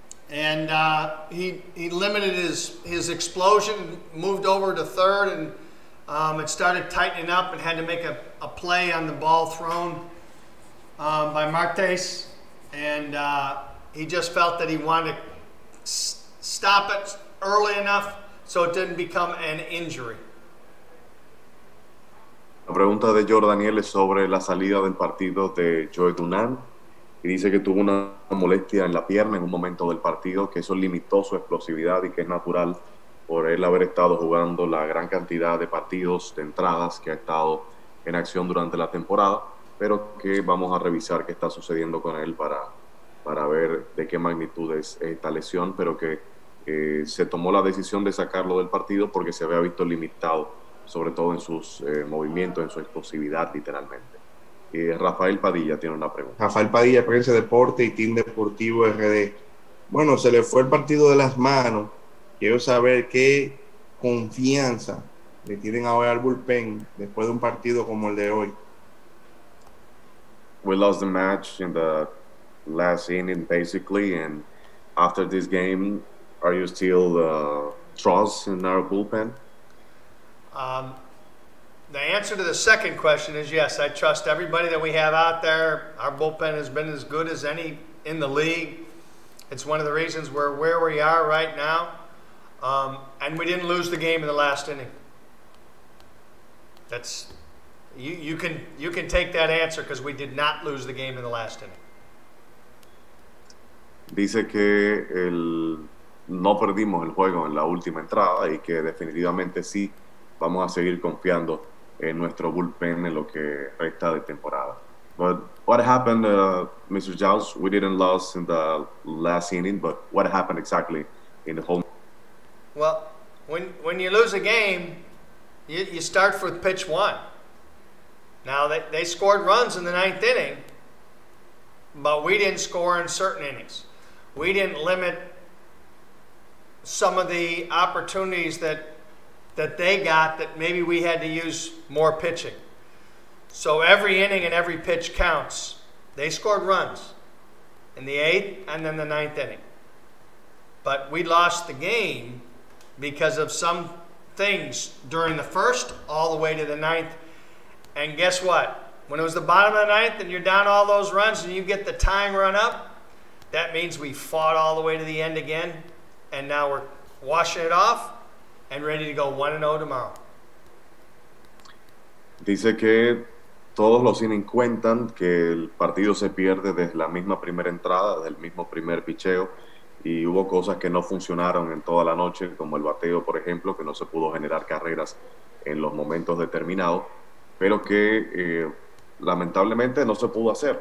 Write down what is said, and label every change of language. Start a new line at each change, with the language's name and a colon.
English: And he limited his explosion, moved over to third, and it started tightening up and had to make a play on the ball thrown by Martes. And he just felt that he wanted to stop it early enough so it didn't become an injury.
Spanish: La pregunta de Jordaniel es sobre la salida del partido de Joe Dunan. Y dice que tuvo una molestia en la pierna en un momento del partido, que eso limitó su explosividad y que es natural por él haber estado jugando la gran cantidad de partidos, de entradas que ha estado en acción durante la temporada, pero que vamos a revisar qué está sucediendo con él para ver de qué magnitud es esta lesión, pero que se tomó la decisión de sacarlo del partido porque se había visto limitado, sobre todo en sus movimientos, en su explosividad, literalmente. Rafael Padilla tiene una pregunta. Rafael Padilla, Prensa Deporte y Team Deportivo RD. Bueno, se le fue el partido de las manos. Quiero saber qué confianza le tienen ahora al bullpen después de un partido como el de hoy.
English: We lost the match in the last inning, basically, and after this game, are you still trust in our bullpen? The answer to the second question is yes. I trust everybody that we have out there. Our bullpen has been as good as any in the league. It's one of the reasons we're where we are right now. And we didn't lose the game in the last inning. That's you can take that answer because we did not lose the game in the last inning.
Spanish: Dice que el no perdimos el juego en la última entrada y que definitivamente sí vamos a seguir confiando en nuestro bullpen en lo que resta de temporada.
English: But what happened, Mr. Jouse? We didn't lose in the last inning, but what happened exactly in the whole? Well, when you lose a game, you start with pitch one. Now, they scored runs in the ninth inning, but we didn't score in certain innings. We didn't limit some of the opportunities that they got that maybe we had to use more pitching. So every inning and every pitch counts. They scored runs in the eighth and then the ninth inning. But we lost the game because of some things during the first all the way to the ninth. And guess what? When it was the bottom of the ninth and you're down all those runs and you get the tying run up, that means we fought all the way to the end again. And now we're washing it off and ready to go 1-0 tomorrow.
Spanish: Dice que todos los innings cuentan, que el partido se pierde desde la misma primera entrada, desde el mismo primer picheo, y hubo cosas que no funcionaron en toda la noche, como el bateo, por ejemplo, que no se pudo generar carreras en los momentos determinados, pero que lamentablemente no se pudo hacer.